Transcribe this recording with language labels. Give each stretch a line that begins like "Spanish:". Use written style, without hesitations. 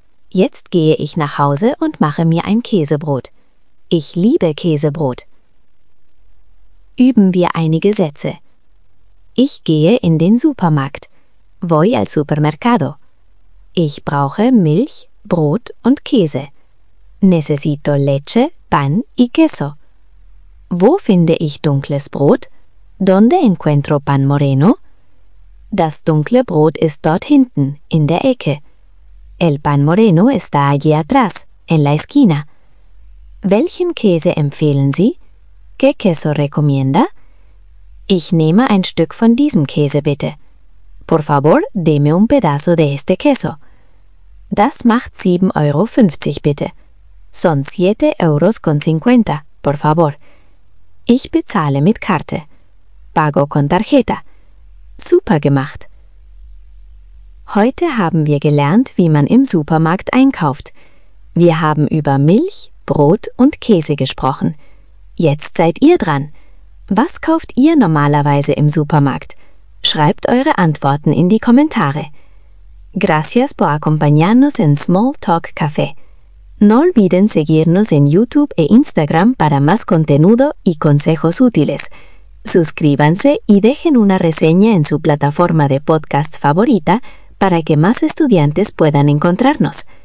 German: Jetzt gehe ich nach Hause und mache mir ein Käsebrot. Ich liebe Käsebrot. Üben wir einige Sätze. Ich gehe in den Supermarkt.
Spanish: Voy al supermercado.
German: Ich brauche Milch, Brot und Käse.
Spanish: Necesito leche, pan y queso.
German: Wo finde ich dunkles Brot?
Spanish: Donde encuentro pan moreno?
German: Das dunkle Brot ist dort hinten, in der Ecke.
Spanish: El pan moreno está allí atrás, en la esquina.
German: Welchen Käse empfehlen Sie?
Spanish: ¿Qué queso recomienda?
German: Ich nehme ein Stück von diesem Käse, bitte.
Spanish: Por favor, deme un pedazo de este queso.
German: Das macht 7,50 Euro, bitte.
Spanish: Son 7,50 €, por favor.
German: Ich bezahle mit Karte.
Spanish: Pago con tarjeta.
German: Super gemacht. Heute haben wir gelernt, wie man im Supermarkt einkauft. Wir haben über Milch, Brot und Käse gesprochen. Jetzt seid ihr dran. Was kauft ihr normalerweise im Supermarkt? Schreibt eure Antworten in die Kommentare.
Spanish: Gracias por acompañarnos en Small Talk Café. No olviden seguirnos en YouTube e Instagram para más contenido y consejos útiles. Suscríbanse y dejen una reseña en su plataforma de podcast favorita para que más estudiantes puedan encontrarnos.